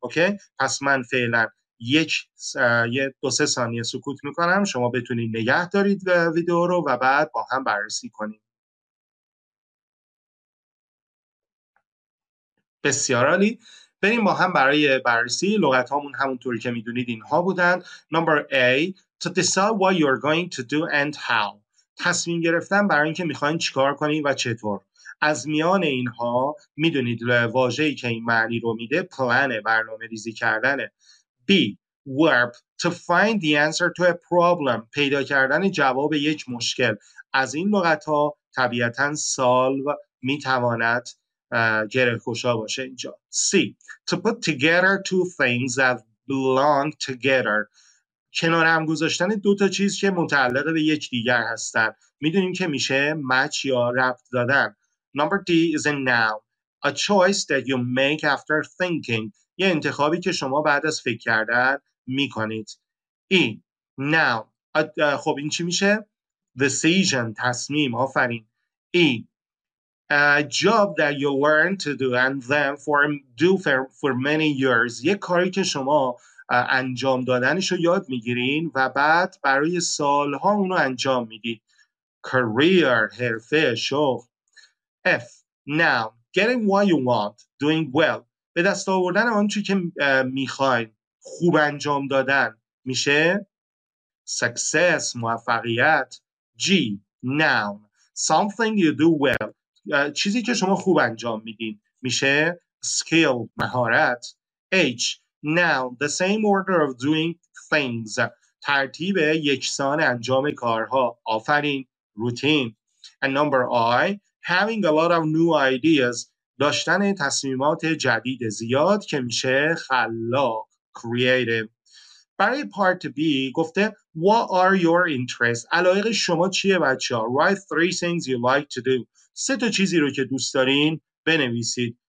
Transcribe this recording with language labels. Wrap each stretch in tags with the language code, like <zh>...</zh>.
<fa>اوکی؟ پس من فعلا یک دو سه ثانیه سکوت میکنم، شما بتونید نگه دارید ویدیو رو و بعد با هم بررسی کنیم. بسیار عالی. بریم با هم برای بررسی لغت هامون. همونطوری که میدونید اینها بودن.</fa> <en>Number A, to decide what you're going to do and how.</en> <fa>تصمیم گرفتن برای اینکه میخواین چیکار کنید و چطور. از میان اینها میدونید واژه‌ای که این معنی رو میده plan، برنامه ریزی کردنه.</fa> <en>B, verb, to find the answer to a problem.</en> <fa>پیدا کردن جواب یک مشکل. از این لغت ها طبیعتاً solve میتواند گره خوشا باشه اینجا.</fa> <en>C, to put together two things that belong together.</en> <fa>کنار هم گذاشتن دو تا چیز که متعلق به یک دیگر هستن. میدونیم که میشه match یا ربط دادن.</fa> <en>Number D is a noun. A choice that you make after thinking.</en> <fa>یه انتخابی که شما بعد از فکر کردن میکنید.</fa> <en>E, noun.</en> <fa>خب این چی میشه؟ Decision, تصمیم.</fa> <en>آفرین. E, a job that you learn to do and then do for many years.</en> <fa>یک کاری که شما انجام دادنش رو یاد میگیرین و بعد برای سالها اونو انجام میدید. Career, حرفه, شغل.</fa> <en>F, now, getting what you want, doing well.</en> <fa>به دست آوردن آنچه که میخواین خوب انجام دادن میشه Success, موفقیت.</fa> <en>G, noun, something you do well.</en> <fa>چیزی که شما خوب انجام میدین میشه Skill, مهارت.</fa> <en>H, noun, the same order of doing things.</en> <fa>ترتیب یکسان انجام کارها. آفرین. Routine.</fa> <en>And number I, having a lot of new ideas.</en> <fa>داشتن تصمیمات جدید زیاد که میشه خلاق.</fa> <en>Creative. برای part B گفته What are your interests?</en> <fa>علایق شما چیه بچه ها؟</fa> <en>Write three things you like to do.</en> <fa>سه تا چیزی رو که دوست دارین بنویسید.</fa>